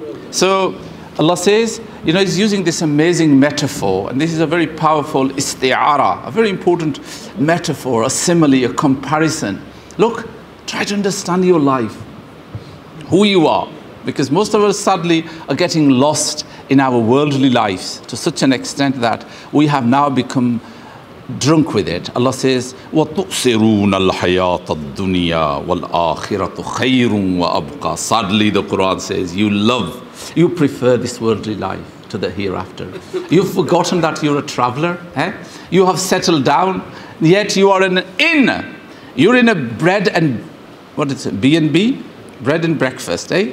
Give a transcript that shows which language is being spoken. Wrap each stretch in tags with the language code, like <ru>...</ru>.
<en>So Allah says, you know, He's using this amazing metaphor, and this is a very powerful isti'ara, a very important metaphor, a simile, a comparison. Look, try to understand your life, who you are, because most of us sadly are getting lost in our worldly lives to such an extent that we have now become drunk with it.</en> <ar>Allah says, وَتُؤْسِرُونَ الْحَيَاةَ الدُّنْيَا وَالْآخِرَةُ خَيْرٌ وَأَبْقَى.</ar> <en>Sadly, the Quran says, you prefer this worldly life to the hereafter. You've forgotten that you're a traveler. Eh? You have settled down, yet you are an inn. You're in a bread and, what is it, B&B? Bread and breakfast, eh?</en>